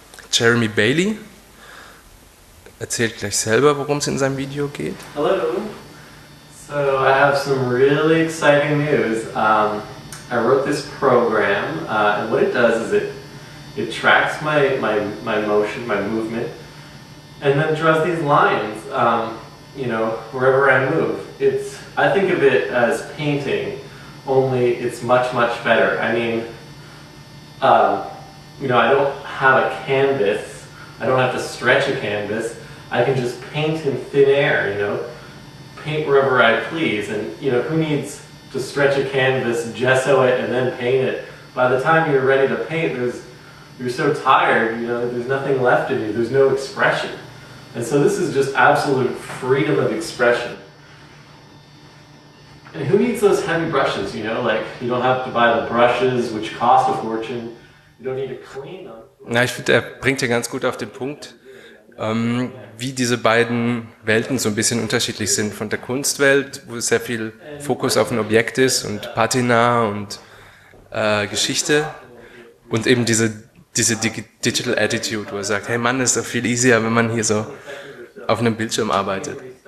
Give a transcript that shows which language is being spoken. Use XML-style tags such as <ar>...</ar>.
<de>Jeremy Bailey erzählt gleich selber, worum es in seinem Video geht.</de> <en>Hello. So I have some really exciting news. I wrote this program, and what it does is it tracks my motion, my movement, and then draws these lines, you know, wherever I move. I think of it as painting, only it's much, much better. I mean, you know, I don't have a canvas. I don't have to stretch a canvas. I can just paint in thin air, you know, paint wherever I please. And, you know, who needs to stretch a canvas, gesso it, and then paint it? By the time you're ready to paint, you're so tired, you know, there's nothing left in you. There's no expression. And so this is just absolute freedom of expression. And who needs those heavy brushes, you know, like you don't have to buy the brushes, which cost a fortune. You don't need to clean them.</en> <de>Na, ich finde, er bringt ja ganz gut auf den Punkt, wie diese beiden Welten so ein bisschen unterschiedlich sind. Von der Kunstwelt, wo sehr viel Fokus auf ein Objekt ist und Patina und Geschichte. Und eben diese Digital Attitude, wo er sagt, hey Mann, das ist doch viel easier, wenn man hier so auf einem Bildschirm arbeitet.</de>